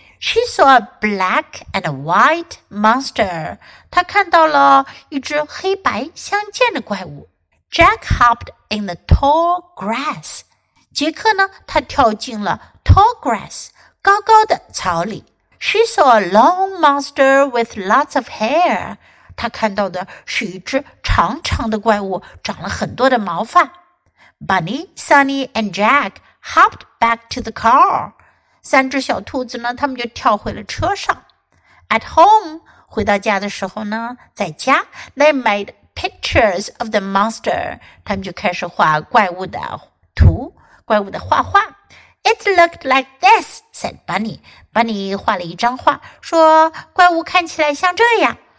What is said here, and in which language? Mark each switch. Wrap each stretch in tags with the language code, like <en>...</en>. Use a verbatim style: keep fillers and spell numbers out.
<en>She saw a black and a white monster.</en> <zh>她看到了一只黑白相间的怪物。</zh> <en>Jack hopped in the tall grass.</en> <zh>杰克呢，他跳进了</zh> <en>tall grass,</en> <zh>高高的草里。</zh> <en>She saw a long monster with lots of hair.</en> <zh>她看到的是一只长长的怪物，长了很多的毛发。</zh> <en>Bunny, Sunny, and Jack hopped back to the car.</en> <zh>三只小兔子呢，他们就跳回了车上。</zh> <en>At home,</en> <zh>回到家的时候呢，在家</zh> <en>they made pictures of the monster.</en> <zh>他们就开始画怪物的图，怪物的画画。</zh> <en>It looked like this, said Bunny. Bunny</en> <zh>画了一张画，说怪物看起来像这样。</zh>